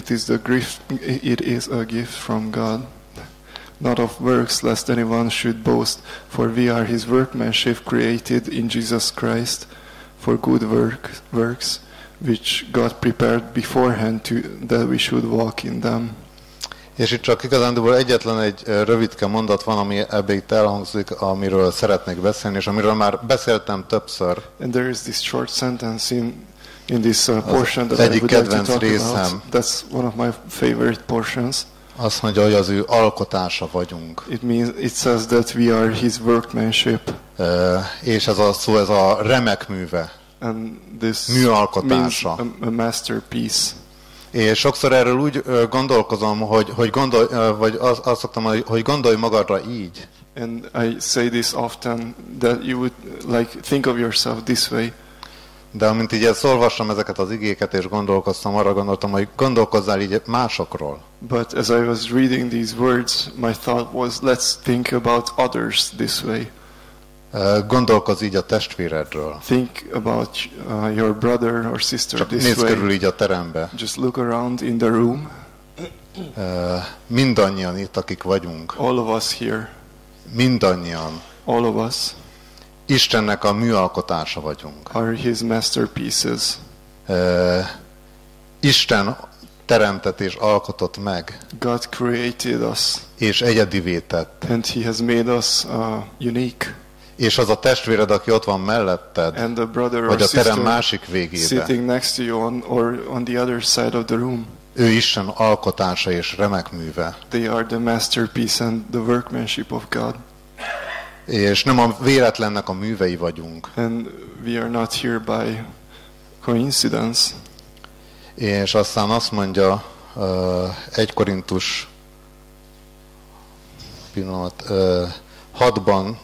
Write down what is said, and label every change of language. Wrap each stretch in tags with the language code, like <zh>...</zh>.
<en>It is a gift from God, not of works, lest anyone should boast, for we are his workmanship created in Jesus Christ for good works which God prepared beforehand to that we should walk in them.</en> <hu>És itt csak igazándiból egyetlen egy rövidke mondat van, ami ebbe itt elhangzik, amiről szeretnék beszélni, és amiről már beszéltem többször.</hu> <en>And there is this short sentence in this portion</en> <hu>az egyik kedvenc részem.</hu> <en>That's one of my favorite portions.</en> <hu>Azt mondja, hogy az ő alkotása vagyunk.</hu> <en>It says that we are his workmanship.</en> <hu>És ez a szó, ez a remek műve.</hu> <en>And this</en> <hu>műalkotása.</hu> <en>Means a masterpiece.</en> <hu>És sokszor erről úgy gondolkozom, hogy gondolj magadra így.</hu> <en>And I say this often that you would like think of yourself this way.</en> <hu>De amint így ezt olvastam ezeket az igéket és gondolkoztam, arra gondoltam, hogy gondolkozzál így másokról.</hu> <en>But as I was reading these words, my thought was let's think about others this way.</en> <hu>Gondolkozz így a testvéredről.</hu> <en>Think about your brother or sister</en> <hu>csak</hu> <en>this way.</en> <hu>Nézz körül így a terembe.</hu> <en>Just look around in the room.</en> <hu>Mindannyian itt, akik vagyunk.</hu> <en>All of us here.</en> <hu>Mindannyian.</hu> <en>All of us.</en> <hu>Istennek a műalkotása vagyunk.</hu> <en>Are his masterpieces.</en> <hu>Isten teremtett és alkotott meg.</hu> <en>God created us.</en> <hu>És egyedivé tett.</hu> <en>And he has made us unique.</en> <hu>És az a testvéred, aki ott van melletted,</hu> <en>and the brother</en> <hu>vagy a terem másik végébe,</hu> <en>sitting next to you on the other side of the room.</en> <hu>Ő Isten alkotása és remek műve.</hu> <en>They are the masterpiece and the workmanship of God.</en> <hu>És nem a véletlennek a művei vagyunk.</hu> <en>And we are not here by coincidence.</en> <hu>És aztán azt mondja 1 Korintus 6-ban.</hu>